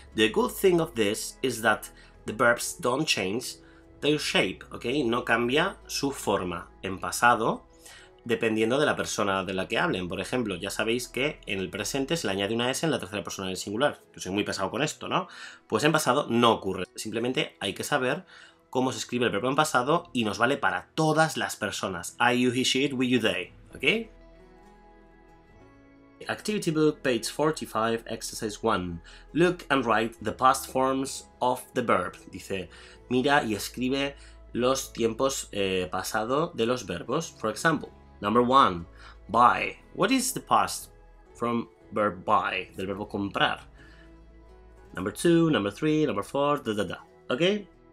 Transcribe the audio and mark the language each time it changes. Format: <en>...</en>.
<en>The good thing of this is that the verbs don't change their shape, ¿ok?</en> <es>No cambia su forma en pasado dependiendo de la persona de la que hablen. Por ejemplo, ya sabéis que en el presente se le añade una S en la tercera persona del singular. Yo soy muy pesado con esto, ¿no? Pues en pasado no ocurre. Simplemente hay que saber cómo se escribe el verbo en pasado y nos vale para todas las personas.</es> <en>I, you, he, she, it, we, you, they, ¿ok? Activity book, page 45, exercise 1. Look and write the past forms of the verb.</en> <es>Dice, mira y escribe los tiempos pasado de los verbos.</es> <en>For example, number 1, buy. What is the past from verb buy,</en> <es>del verbo comprar?</es> <en>Number 2, number 3, number 4, da da da. Okay?</en>